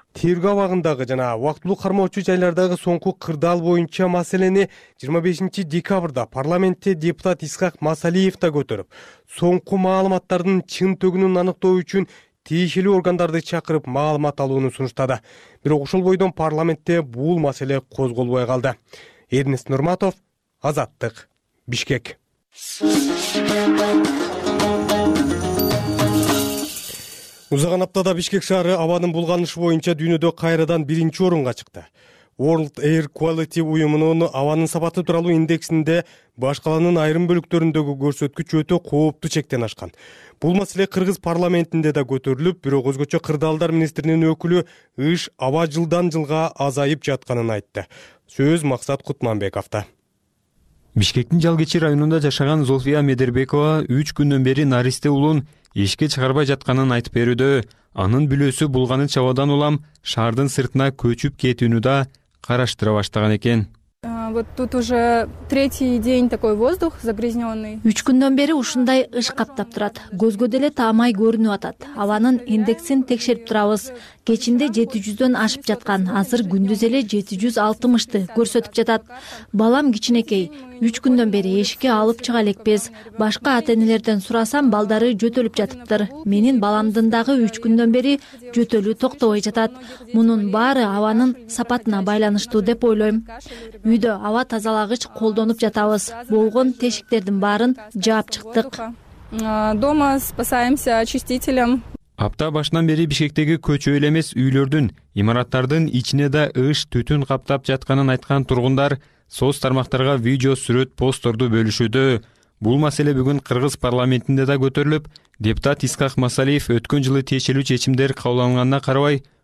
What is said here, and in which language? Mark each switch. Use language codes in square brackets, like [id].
[ky] Тергөө абагындагы жана убактылуу кармоочу жайлардагы соңку кырдаал боюнча маселени 25 декабрда парламентте депутат Искак Масалиев да көтөрүп, соңку маалыматтардын чын төгүнүн аныктоо үчүн тиешелүү органдарды чакырып маалымат алууну сунуштады. Бирок ошол бойдон парламентте бул маселе козголбой калды. Эрнис Нурматов, Азаттык, Бишкек. Узаган аптада Бишкек шаары абанын булганышы боюнча дүйнөдө кайрадан биринчи орунга чыкты. World Air Quality уюмунун абанын сапаты тууралуу индексинде башкаланын айрым бөлүктөрүндөгү көрсөткүч өтө кооптуу чектен ашкан. Бул маселе кыргыз парламентинде да көтөрүлүп, бирок өзгөчө кырдаалдар министринин өкүлү ыш аба жылдан жылга азайып жатканын айтты. Сөз Максат Кутманбековдо. Бишкектин Жалгечи районунда жашаган Зулфия Медербекова 3 күндөн бери наристе уулун ишке чыгарбай жатканын айтып берүүдө. Анын билөөсү булганы чабадан улам шаардын сыртына көчүп кетүүнү да караштыра баштаган экен. [ru] Вот тут уже третий день такой воздух загрязнённый. [ky] 3 күндөн бери ушундай ыш каптап турат. Көзгө деле таамай көрүнүп атат. Абанын индексин текшерип турабыз. Кечинде 700'дөн ашып жаткан, азыр күндүз эле 760'ды көрсөтүп жатат. Балам кичинекей, 3 күндөн бери эшикке алып чыга элекпиз. Башка ата-энелерден сурасам, балдары жөтөлүп жатыптыр. Менин баламдын дагы 3 күндөн бери жөтөлүү токтобой жатат. Мунун баары абанын сапатына байланыштуу деп ойлойм. Үйдө аба тазалагыч колдонуп жатабыз. Болгон тешиктердин баарын жаап чыктык. [ru] Дома спасаемся очистителем. [ky] Апта башынан бери Бишкектеги көчө эле эмес, үйлөрдүн, имараттардын ичине да ыш түтүн каптап жатканын айткан тургундар соц тармактарга видео, сүрөт, постторду бөлүшүүдө. Бул маселе бүгүн кыргыз парламентинде да көтөрүлүп, депутат Искак Масалиев өткөн жылы тиешелүү чечимдер кабыл алынганына карабай